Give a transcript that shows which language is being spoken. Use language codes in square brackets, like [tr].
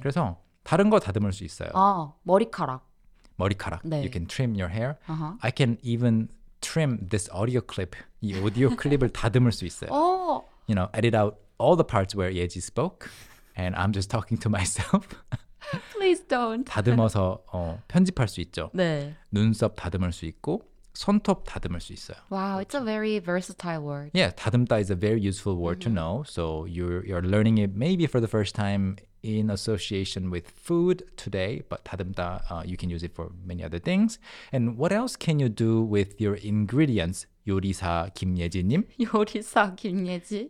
[ko] 그래서 다른 거 다듬을 수 있어요. 아, 머리카락. 머리카락. 네. [en] You can trim your hair. Uh-huh. I can even trim this audio clip. [ko] 이 오디오 클립을 다듬을 수 있어요. [en] You know, edit out all the parts where Yeji spoke and I'm just talking to myself. Please don't. [ko] 다듬어서 편집할 수 있죠. 네. 눈썹 다듬을 수 있고 손톱 다듬을 수 있어요. [en] Wow, [ko] 그렇죠? [en] It's a very versatile word. Yeah, 다듬다 is a very useful word mm-hmm. to know. So you're learning it maybe for the first time in association with food today, but 다듬다, you can use it for many other things. And what else can you do with your ingredients, 요리사 김예지님? [ko] 요리사 김예지?